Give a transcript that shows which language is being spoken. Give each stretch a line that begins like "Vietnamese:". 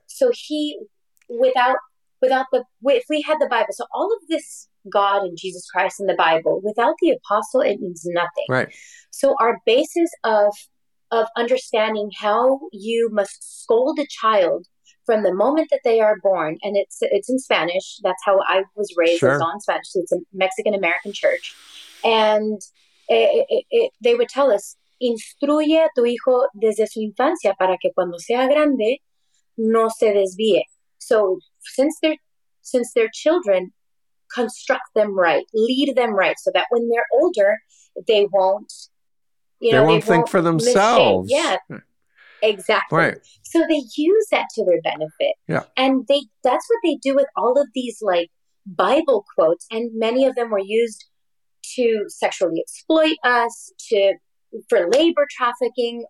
English: So he, if we had the Bible, so all of this God and Jesus Christ in the Bible, without the apostle, it means nothing. Right. So our basis of understanding how you must scold a child from the moment that they are born, and it's in Spanish. That's how I was raised. Sure. It's all in Spanish. So it's a Mexican-American church. And they would tell us,
Spanish: instruye a tu hijo desde su infancia para que cuando sea grande no se desvíe.
English: So since they're children, construct them right, lead them right, so that when they're older, they won't, for themselves. Yeah, exactly. Right. So they use that to their benefit. Yeah. And that's what they do with all of these like Bible quotes, and many of them were used to sexually exploit us, for labor trafficking.